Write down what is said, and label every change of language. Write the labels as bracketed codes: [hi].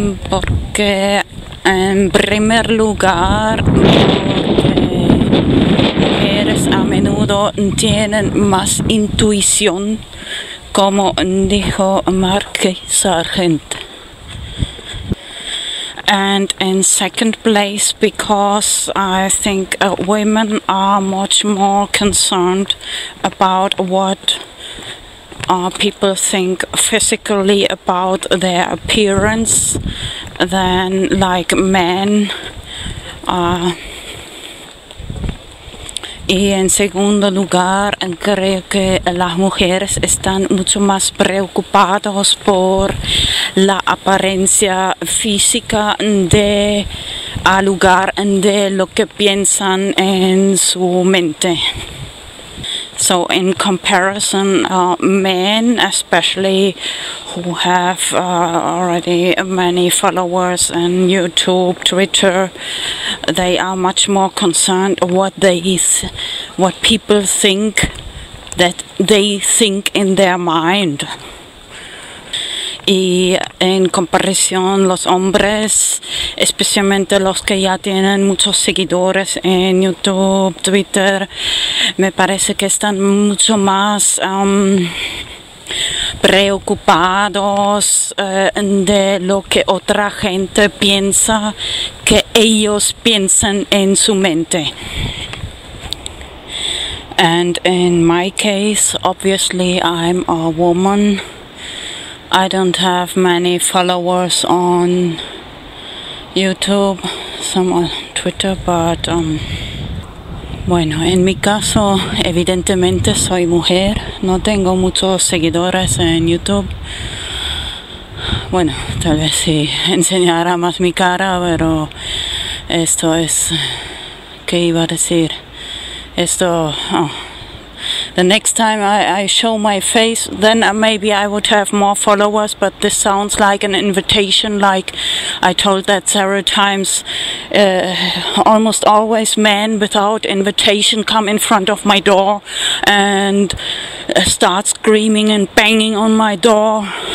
[es] Porque en primer lugar, mujeres a menudo tienen más intuición, como dijo Mark K. Sargent. [en] And in second place, because I think women are much more concerned about what people think physically about their appearance than like men. [es] Y en segundo lugar, creo que las mujeres están mucho más preocupadas por la apariencia física de al lugar de lo que piensan en su mente. [en] So in comparison, men, especially who have already many followers on YouTube, Twitter, they are much more concerned what people think that they think in their mind. [es] Y en comparación, los hombres, especialmente los que ya tienen muchos seguidores en YouTube, Twitter, me parece que están mucho más preocupados de lo que otra gente piensa que ellos piensan en su mente. [en] And in my case, obviously, I'm a woman. I don't have many followers on YouTube, some on Twitter, but [es] bueno, en mi caso, evidentemente soy mujer, no tengo muchos seguidores en YouTube. Bueno, tal vez si enseñara más mi cara, pero esto es, ¿qué iba a decir? [en] Esto, the next time I show my face, then maybe I would have more followers, but this sounds like an invitation, like I told that several times, almost always men without invitation come in front of my door and start screaming and banging on my door.